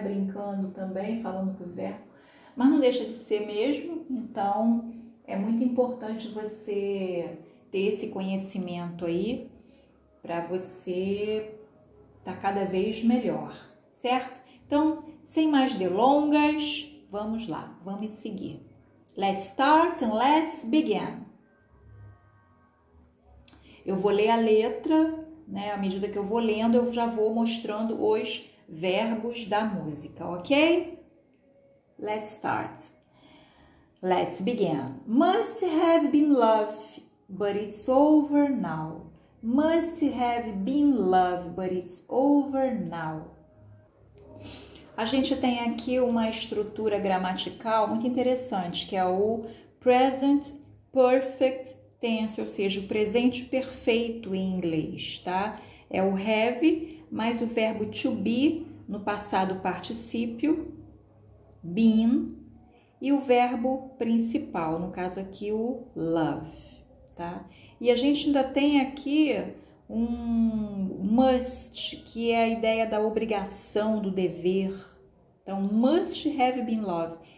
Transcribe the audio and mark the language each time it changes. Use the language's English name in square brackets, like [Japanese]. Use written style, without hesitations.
[Portuguese] Brincando também, falando com o verbo. Mas não deixa de ser mesmo. Então, é muito importante você ter esse conhecimento aí, para você estar cada vez melhor, certo? Então, sem mais delongas, vamos lá, vamos seguir. [English] Let's start and let's begin. [Portuguese] Eu vou ler a letra. Né? À medida que eu vou lendo, eu já vou mostrando os verbos da música, ok? [English] Let's start. Let's begin. Must have been love, but it's over now. Must have been love, but it's over now. [Portuguese] A gente tem aqui uma estrutura gramatical muito interessante, que é o present perfect tense, ou seja, o presente perfeito em inglês, tá? É o have mais o verbo to be no passado particípio, been, e o verbo principal, no caso aqui o love, tá? E a gente ainda tem aqui um must, que é a ideia da obrigação, do dever. Então, [English] must have been love.